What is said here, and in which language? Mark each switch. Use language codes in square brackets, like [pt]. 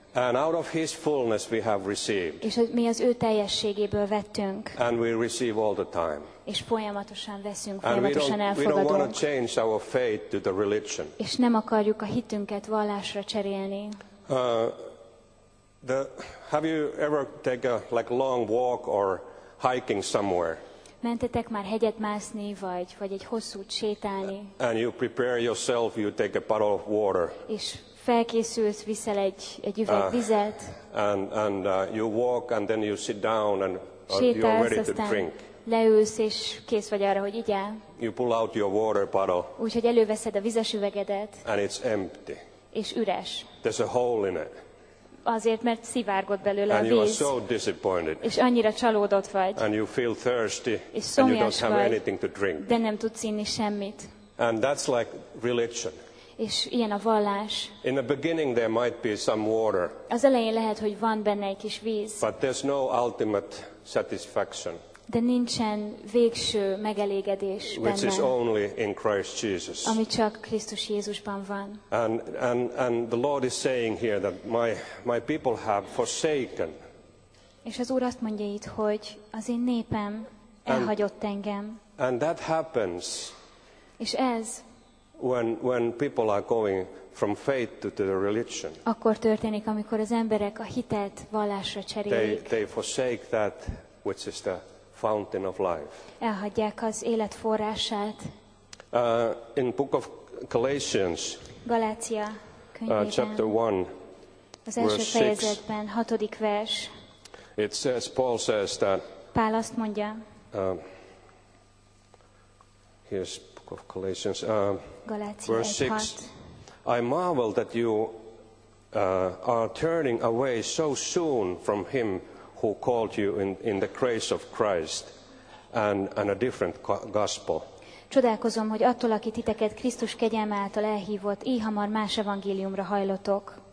[en] And out of his fullness we have received. [hu] És mi az ő teljességéből vettünk. [en] And we receive all the time. [hu] És folyamatosan veszünk, folyamatosan elfogadunk. [en] We don't want to change our faith to the religion. [hu] És nem akarjuk a hitünket vallásra cserélni. [en] Have you ever taken like long walk or hiking somewhere? [hu] Mentetek már hegyet mászni, vagy egy hosszút sétálni? [en] And you prepare yourself, you take a bottle of water. [hu] És felkészülsz, viszel egy üveg vizet. [en] And you walk and then you sit down and [hu] sétálsz, [en] you're ready to drink. [hu] Leülsz és kész vagy arra, hogy igyál. [en] You pull out your water bottle. [hu] Úgyhogy előveszed a vizes üvegedet. [en] And it's empty. [hu] És üres. [en] There's a hole in it. [hu] Azért, mert szivárgott belőle [en] and [hu] a víz. [en] You are so disappointed. [hu] És annyira csalódott vagy. [en] And you feel thirsty. [hu] És szomjas [en] and you don't [hu] vagy, [en] have anything to drink. [hu] De nem tudsz inni semmit. [en] And that's like religion. [hu] És ilyen a vallás. [en] In the beginning there might be some water. [hu] Az elején lehet, hogy van benne egy kis víz. [en] But there's no ultimate satisfaction. [hu] De nincsen végső megelégedés benne. [en] Which is only in Christ Jesus. [hu] Ami csak Krisztus Jézusban van. [en] And the Lord is saying here that my people have forsaken. [hu] És az Úr azt mondja itt, hogy az én népem elhagyott engem. [en] And that happens. [hu] És ez [en] When people are going from faith to the religion. [hu] Akkor történik, amikor az emberek a hitet vallásra cserélik. [en] They forsake that which is the fountain of life. [hu] Elhagyják az élet forrását. [en] In Book of Galatians. [hu] Galácia könyvében. [en] Chapter 1. [hu] Az első fejezetben, 6. vers. [en] It says, Paul says that. [hu] Pál azt mondja. [en] Here's Book of Galatians. Galatia verse 6. I marvel that you are turning away so soon from him who called you in the grace of Christ and a different gospel. [hu] Csodálkozom, hogy attól, aki titeket Krisztus kegyelme által elhívott, így hamar más evangéliumra hajlotok.